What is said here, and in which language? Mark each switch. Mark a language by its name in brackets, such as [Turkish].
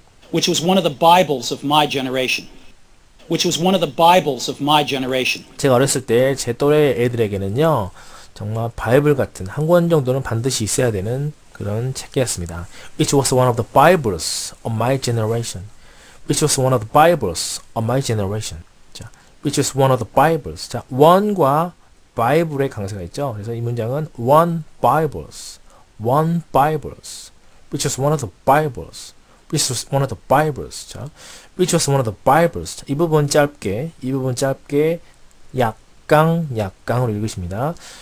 [English] Which was one of the Bibles of my generation. Which was one of the Bibles of my generation. [Korean] 제가 어렸을 때 제 또래 애들에게는요, 정말 바이블 같은 한 권 정도는 반드시 있어야 되는 그런 책이었습니다. [English] Which was one of the Bibles of my generation. Which was one of the Bibles of my generation. [Korean] 자, [English] which was one of the Bibles. [Korean] 자, one과 Bible의 강세가 있죠. 그래서 이 문장은 [English] one Bibles, one Bibles, which was one of the Bibles, which was one of the Bibles. 자, which was one of the Bibles. [Korean] 자, 이 부분 짧게, 이 부분 짧게 약강, 약강으로 읽으십니다.